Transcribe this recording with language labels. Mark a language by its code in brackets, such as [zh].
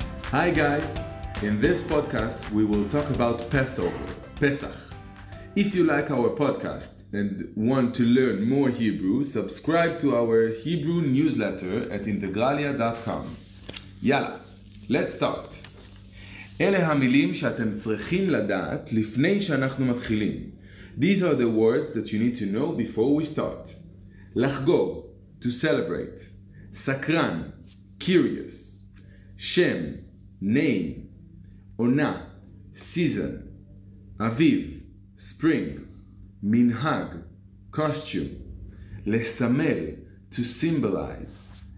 [en] Hi guys! In this podcast, we will talk about Passover, Pesach. If you like our podcast and want to learn more Hebrew, subscribe to our Hebrew newsletter at integralia.com. יאללה, let's start. [he] אלה המילים שאתם צריכים לדעת לפני שאנחנו מתחילים. [en] These are the words that you need to know before we start. לחגוג, to celebrate. סקרן, curious. שם, name. עונה, season. אביב, spring. מנהג, costume. לסמל, to symbolize.